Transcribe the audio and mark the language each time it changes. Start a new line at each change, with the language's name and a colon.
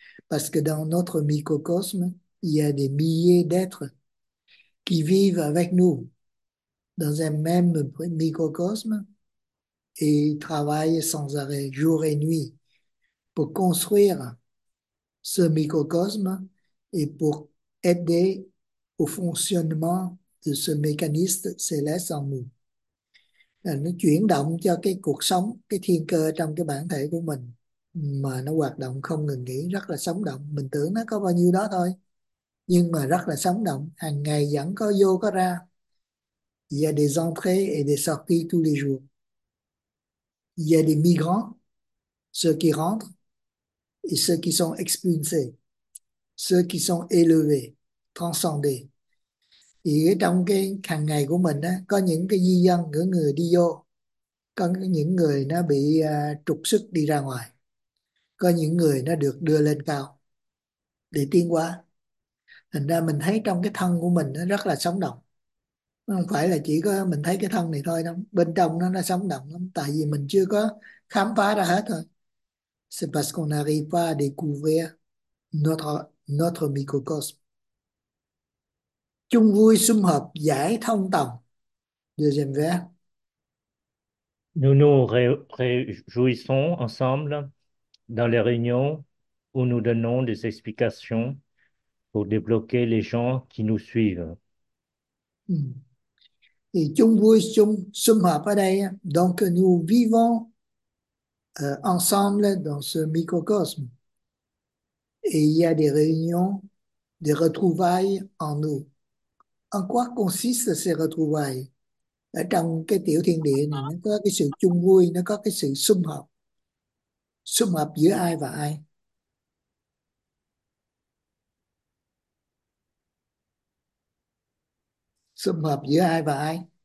French: Parce que dans notre microcosme, il y a des milliers d'êtres qui vivent avec nous dans un même microcosme et travaillent sans arrêt, jour et nuit, pour construire ce microcosme et pour aider au fonctionnement de ce mécanisme céleste en nous.
Vietnamese: Là nó chuyển động cho cái cuộc sống, cái thiên cơ trong cái bản thể của mình mà nó hoạt động không ngừng nghỉ, rất là sống động. Mình tưởng nó có bao nhiêu đó thôi, nhưng mà rất là sống động, hàng ngày vẫn có vô có ra.
French: Il y a des entrées et des sorties tous les jours. Il y a des migrants, ceux qui rentrent et ceux qui sont expulsés, ceux qui sont élevés, transcendés.
Vietnamese: Thì trong cái hàng ngày của mình á, có những cái di dân, những người đi vô, có những người nó bị trục xuất đi ra ngoài, có những người nó được đưa lên cao để tiến hóa. Thành ra mình thấy trong cái thân của mình nó rất là sống động, không phải là chỉ có mình thấy cái thân này thôi đâu, bên trong nó sống động lắm, tại vì mình chưa có khám phá ra hết thôi.
French: C'est parce qu'on n'arrive pas à découvrir notre microcosme.
Vietnamese: Chung vui sum họp giải thông tầm.
French: Deuxième vers. Nous nous réjouissons ensemble dans les réunions où nous donnons des explications pour débloquer les gens qui nous suivent. Et
Vietnamese: chung vui chung sum họp ở đây,
French: donc nous vivons ensemble dans ce microcosme. Et il y a des réunions, des retrouvailles en nous. En quoi consistent ces retrouvailles?
Vietnamese: Ở trong cái tiểu thiên địa này, nó có cái sự chung vui, nó có cái sự sum họp. Sum họp giữa ai và ai? Sum họp giữa ai và ai?